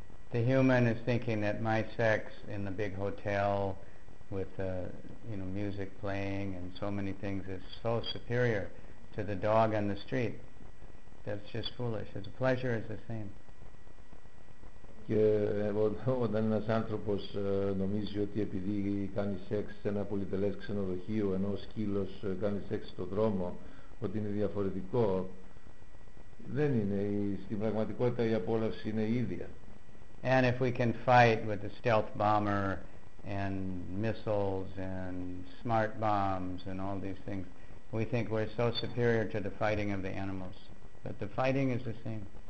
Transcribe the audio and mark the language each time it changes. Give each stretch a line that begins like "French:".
English: The human is thinking that my sex in the big hotel with music playing and so many things is so superior to the dog on the street. That's just foolish. The pleasure is the same.
Greek: Και όταν ένας άνθρωπος νομίζει ότι επειδή κάνει σεξ σε ένα πολυτελές ξενοδοχείο ενώ ο σκύλος κάνει σεξ στον δρόμο, ότι είναι διαφορετικό, δεν είναι. Στην πραγματικότητα η απόλαυση είναι ίδια.
English: And if we can fight with a stealth bomber and missiles and smart bombs and all these things, we think we're so superior to the fighting of the animals. But the fighting is the same.